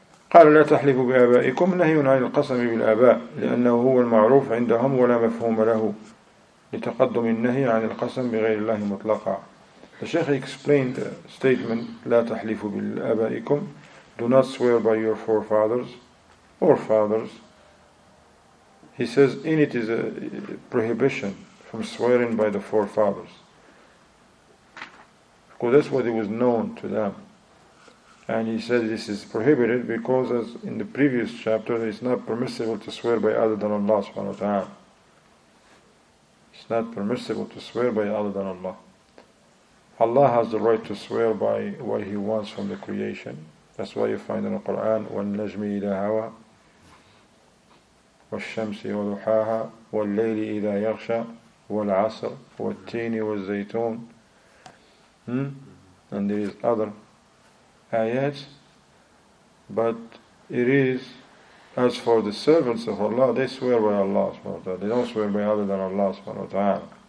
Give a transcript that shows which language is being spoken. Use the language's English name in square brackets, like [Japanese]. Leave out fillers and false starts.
[Arabic] قال لا تحلفوا بآبائكم نهي عن القسم بالآباء لأنه هو المعروف عندهم ولا مفهوم له لتقدم النهي عن القسم بغير الله مطلقا. [English] The Shaykh explained the statement, [Arabic] لا تحلفوا بالآبائكم, [English] do not swear by your forefathers or fathers. He says in it is a prohibition from swearing by the forefathers, because that's what it was known to them. And he said this is prohibited because, as in the previous chapter, it's not permissible to swear by other than Allah subhanahu wa ta'ala. It's not permissible to swear by other than Allah. Allah has the right to swear by what He wants from the creation. That's why you find in the Quran, [Arabic] وَالنَّجْمِ إِذَا هَوَى وَالشَّمْسِ وَضُحَاهَا وَاللَّيْلِ إِذَا يَغْشَى وَالْعَصْرِ وَالتِّينِ وَالزَّيْتُونِ. [English] And there is other ayats, but it is as for the servants of Allah, they swear by Allah subhanahu wa ta'ala. They don't swear by other than Allah subhanahu wa ta'ala.